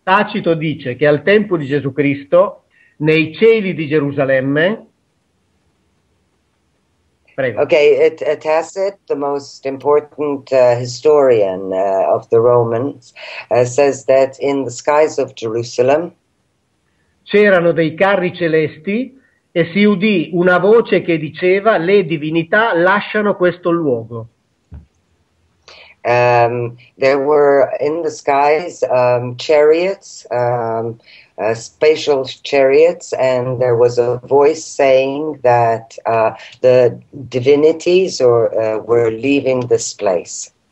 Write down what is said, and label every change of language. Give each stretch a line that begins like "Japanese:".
Italian: Tacito dice che al tempo di Gesù Cristo, nei cieli di Gerusalemme. Prego.
English: Ok, Tacit, the most important historian of the Romans, says that in the skies of Jerusalem.
Italian: C'erano dei carri celesti e si udì una voce che diceva: le divinità lasciano questo luogo.
English: There were in the skies chariots, special chariots, and there was a voice saying that the divinities were leaving this place.